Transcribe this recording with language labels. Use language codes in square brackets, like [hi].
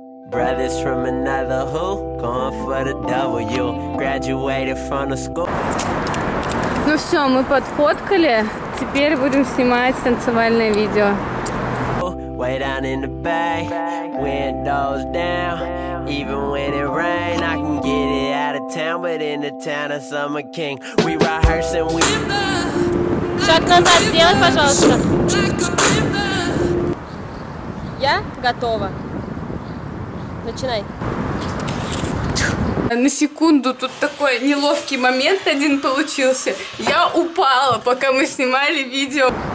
[en] Brothers from another who going for the W. Graduated from the school. [ru] Ну все, мы подфоткали. Теперь будем снимать танцевальное видео. [en] Way down in the bay, windows down. Even when it rain, I can get it out of town. But in the town of Summer King, we rehearse and we. [ru] Шаг назад сделай, пожалуйста. Я готова. Начинай. На секунду тут такой неловкий момент один получился. Я упала, пока мы снимали видео.